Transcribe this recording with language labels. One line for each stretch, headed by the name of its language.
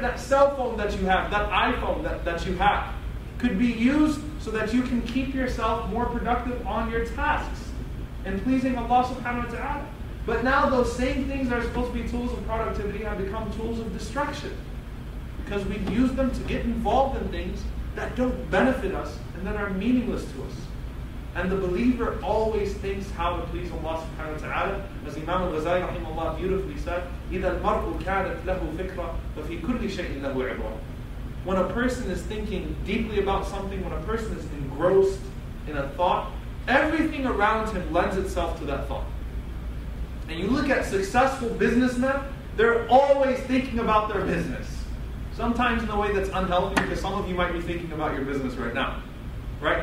English: That cell phone that you have, that iPhone that you have, could be used so that you can keep yourself more productive on your tasks and pleasing Allah subhanahu wa ta'ala. But now those same things that are supposed to be tools of productivity have become tools of destruction. Because we use them to get involved in things that don't benefit us and that are meaningless to us. And the believer always thinks how to please Allah subhanahu wa ta'ala. As Imam al-Ghazali rahimahullah beautifully said,
Arabic: إِذَا الْمَرْءُ كَانَتْ لَهُ فِكْرًا فَفِي كُلِّ شَيْءٍ لَهُ عِبْرًا.
English: When a person is thinking deeply about something, when a person is engrossed in a thought, everything around him lends itself to that thought. And you look at successful businessmen, they're always thinking about their business. Sometimes in a way that's unhealthy, because some of you might be thinking about your business right now. Right?